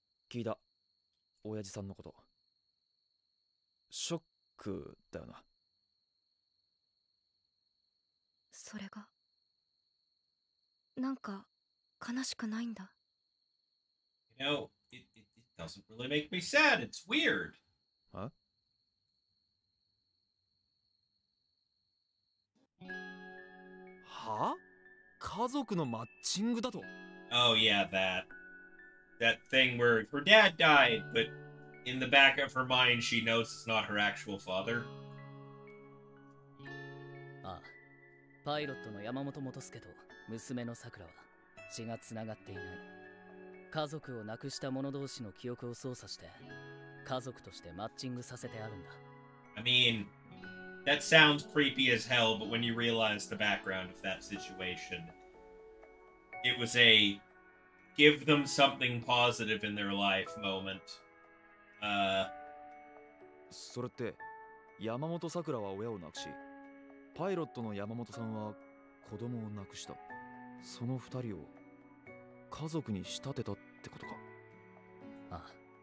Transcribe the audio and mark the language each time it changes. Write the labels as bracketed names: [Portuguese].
[Japanese] 聞いた、親父さんのこと。ショックだよな。それが、なんか悲しくないんだ。 [English] You know, it doesn't really make me sad. It's weird. [Japanese] は? は? 家族のマッチングだと? [English] Oh yeah, that thing where her dad died, but in the back of her mind she knows it's not her actual father. [Japanese] パイロットの山本元助と娘のさくらは血がつながっていない。家族を亡くした者同士の記憶を操作して家族としてマッチングさせてあるんだ。 [English] I mean, that sounds creepy as hell, but when you realize the background of that situation, it was a give them something positive in their life moment. [Japanese] それって山本さくらは親を亡くし。パイロットの山本さんは子供を亡くした。その二人を家族に仕立てたってことか。ああ。